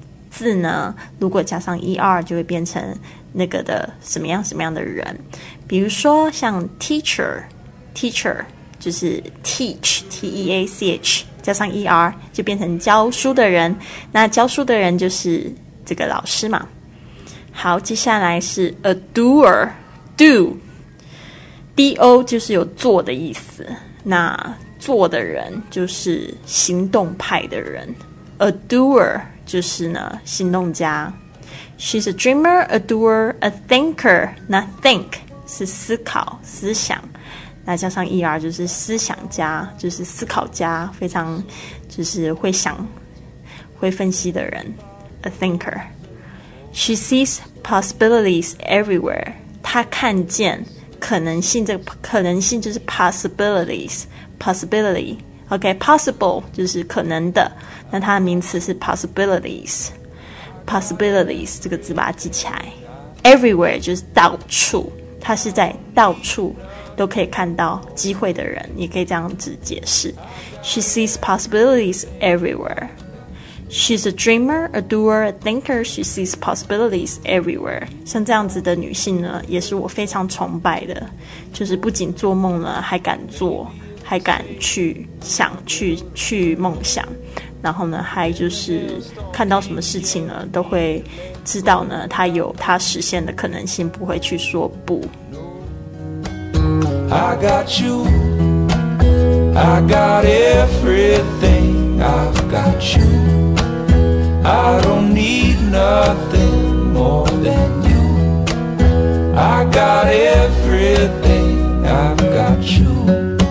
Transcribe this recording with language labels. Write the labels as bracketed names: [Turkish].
[Chinese] 字呢如果加上 ER 就会变成那个的什么样什么样的人，比如说像 teacher 就是 teach T-E-A-C-H 加上 ER 就变成教书的人，那教书的人就是这个老师嘛。好，接下来是 a doer， do D-O 就是有做的意思，那做的人就是行动派的人， A doer 就是呢行动家。 [English] She's a dreamer, a doer, a thinker. [Chinese] 那 think 是思考思想，那加上 ER 就是思想家，就是思考家，非常就是会想会分析的人， A thinker. [English] She sees possibilities everywhere. [Chinese] 她看见可能性，这个可能性就是 possibilities， possibility， OK， possible 就是可能的，那它的名词是 possibilities， possibilities 这个字把它记起来。 Everywhere 就是到处，它是在到处都可以看到机会的人，你可以这样子解释。 [English] She sees possibilities everywhere. She's a dreamer, a doer, a thinker. She sees possibilities everywhere. [Chinese] 像这样子的女性呢，也是我非常崇拜的，就是不仅做梦呢，还敢做，还敢去想，去梦想，然后呢，还就是看到什么事情呢，都会知道呢，她有她实现的可能性，不会去说不。 [English] I got you, I got everything, I've got you. I don't need nothing more than you. I got everything, I've got you.